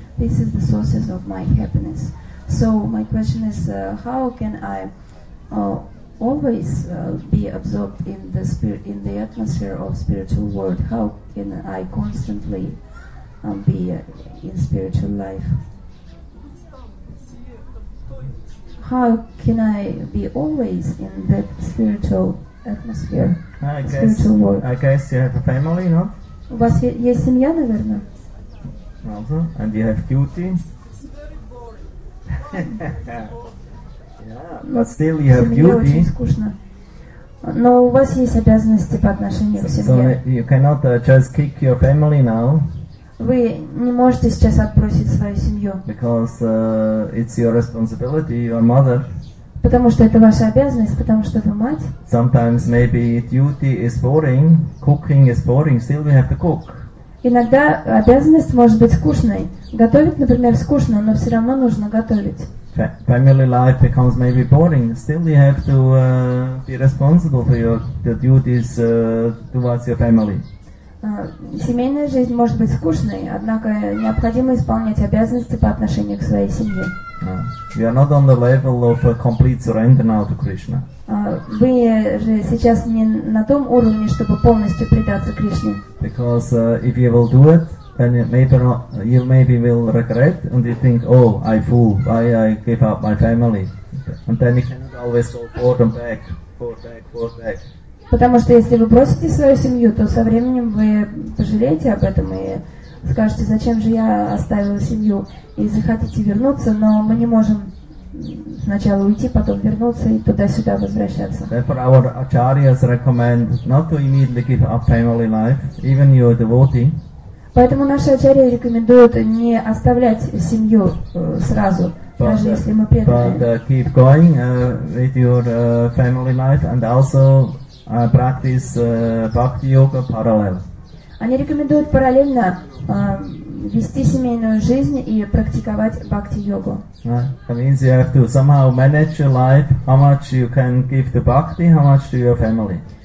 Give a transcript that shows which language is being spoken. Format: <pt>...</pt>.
<en>This is the source of my happiness. So my question is, how can I always be absorbed in the spirit, in the atmosphere of spiritual world? How can I constantly be in spiritual life? How can I be always in that spiritual atmosphere? I guess you have a family, no?</en> <ru>У вас есть семья, наверное?</ru> <en>Also, and you have duty. Yeah, but still you have duty.</en> <ru>Но у вас есть обязанности по отношению к семье.</ru> <en>So you cannot just kick your family now.</en> <ru>Вы не можете сейчас отбросить свою семью.</ru> <en>Because it's your responsibility, your mother.</en> <ru>Потому что это ваша обязанность, потому что вы мать.</ru> <en>Sometimes maybe duty is boring, cooking is boring, still we have to cook.</en> <ru>Иногда обязанность может быть скучной. Готовить, например, скучно, но все равно нужно готовить.</ru> <en>Family life becomes maybe boring. Still you have to be responsible for your the duties towards your family.</en> <ru>Семейная жизнь может быть скучной, однако необходимо исполнять обязанности по отношению к своей семье.</ru> <en>We are not on the level of a complete surrender now to Krishna.</en> <ru>Вы же сейчас не на том уровне, чтобы полностью предаться Кришне.</ru> <en>Because if you will do it, then you maybe will regret and you think, oh, I fool, why I give up my family? And then you cannot always go forward and back, forward, back, forward, back.</en> <ru>Потому что если вы бросите свою семью, то со временем вы пожалеете об этом и скажете, зачем же я оставила семью, и захотите вернуться, но мы не можем сначала уйти, потом вернуться и туда-сюда возвращаться.</ru> <en>Therefore our acharyas recommend not to immediately give up family life, even your devotee.</en> <ru>Поэтому наши ачарьи рекомендуют не оставлять семью сразу.</ru> <en>Keep going with your family life and also practice bhakti yoga parallel.</en> <ru>Они рекомендуют параллельно вести семейную жизнь и практиковать бхакти йогу.</ru> <en>That means you have to somehow manage your life, how much you can give to bhakti, how much to your family.</en>